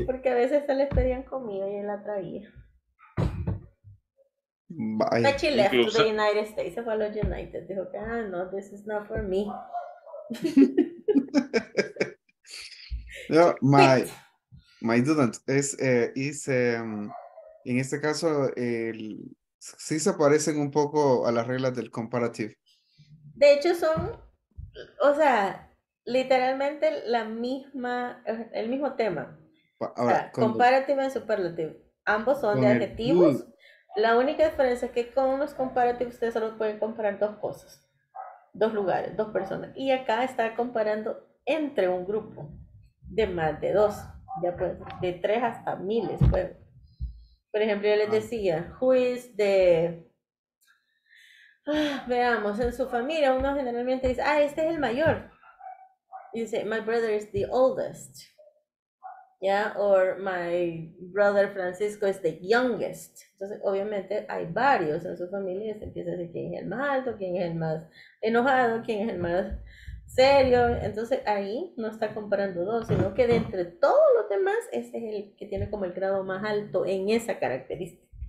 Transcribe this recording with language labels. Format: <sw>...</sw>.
<es>Porque a veces se les pedían comida y él la traía.</es> <en>Bye. But she left to the United States,</en> <es>se fue a los United. Dijo que, ah, no,</es> <en>this is not for me.</en> <es>No,</es> <en>my student</en> <es>es, en este caso, sí se parecen un poco a las reglas del comparative. De hecho, son, o sea, literalmente la misma, el mismo tema. Ahora, o sea, comparative y superlative. Ambos son de adjetivos. La única diferencia es que con los comparativos ustedes solo pueden comparar dos cosas, dos lugares, dos personas. Y acá está comparando entre un grupo. de más de dos, ya pues, de tres hasta miles, pues. Por ejemplo, yo les decía,</es> <en>who is the...</en> <es>veamos, en su familia uno generalmente dice, ah, este es el mayor.</es> <en>You say, my brother is the oldest. Yeah, or my brother Francisco is the youngest.</en> <es>Entonces, obviamente, hay varios en su familia y se empieza a decir quién es el más alto, quién es el más enojado, quién es el más serio. Entonces, ahí no está comparando dos, sino que de entre todos los demás, este es el que tiene como el grado más alto en esa característica.</es>